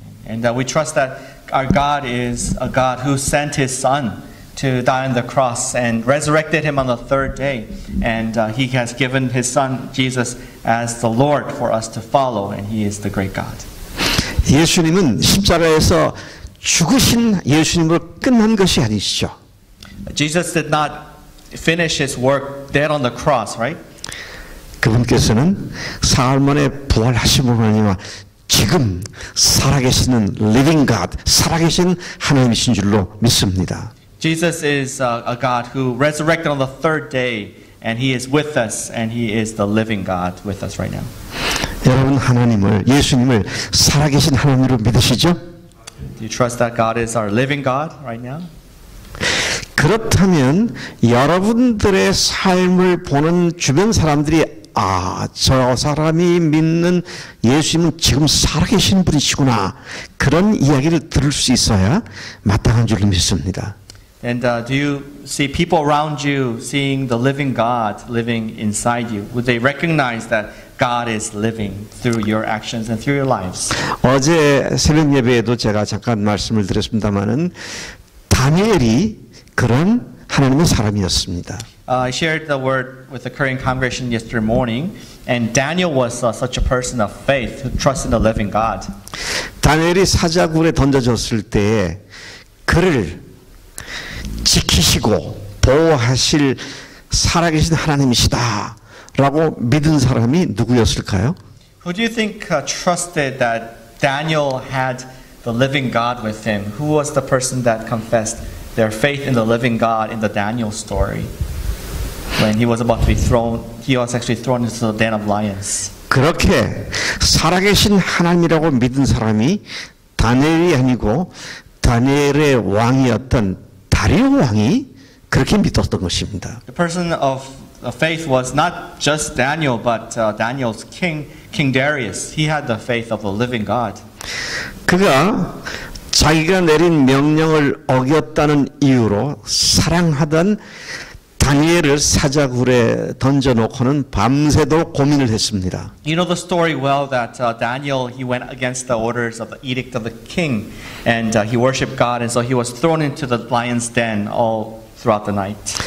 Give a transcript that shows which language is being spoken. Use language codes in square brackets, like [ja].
[en] And we trust that our God is a God who sent His Son to die on the cross and resurrected Him on the third day. And He has given His Son, Jesus, as the Lord for us to follow. And He is the great God. [ko] 예수님은 십자가에서 죽으신 예수님으로 끝난 것이 아니시죠. [en] Jesus did not finish His work dead on the cross, right? [ko] 그분께서는 사흘 만에 부활하심으로 말미암아 지금 살아계시는 [en] living God, [ko] 살아계신 하나님이신 줄로 믿습니다. [en] Jesus is a God who resurrected on the third day, and He is with us, and He is the living God with us right now. [ko] 여러분 하나님을, 예수님을 살아계신 하나님으로 믿으시죠? [en] Do you trust that God is our living God right now? [ko] 그렇다면 여러분들의 삶을 보는 주변 사람들이 아, 저 사람이 믿는 예수님은 지금 살아계신 분이시구나 그런 이야기를 들을 수 있어야 마땅한 줄로 믿습니다. [en] And do you see people around you seeing the living God living inside you? Would they recognize that God is living through your actions and through your lives? [ko] 어제 새벽 예배에도 제가 잠깐 말씀을 드렸습니다만은 다니엘이 그런 하나님의 사람이었습니다. [en] I shared the word with the Korean congregation yesterday morning, and Daniel was such a person of faith who trusted in the living God. [ko] 다니엘이 사자굴에 던져졌을 때 그를 지키시고 보호하실 살아계신 하나님이시다라고 믿은 사람이 누구였을까요? [en] Who do you think trusted that Daniel had the living God with him? Who was the person that confessed their faith in the living God in the Daniel story? When he was about to be thrown, he was actually thrown into the den of lions. [ko] 그렇게 살아계신 하나님이라고 믿은 사람이 다니엘이 아니고 다니엘의 왕이었던 다리오 왕이 그렇게 믿었던 것입니다. [en] The person of faith was not just Daniel, but Daniel's king, King Darius. He had the faith of the living God. [ko] 그가 자기가 내린 명령을 어겼다는 이유로 사랑하던 다니엘을 사자굴에 던져놓고는 밤새도록 고민을 했습니다. [en] You know the story well that Daniel, he went against the orders of the edict of the king and he worshipped God and so he was thrown into the lion's den all throughout the night.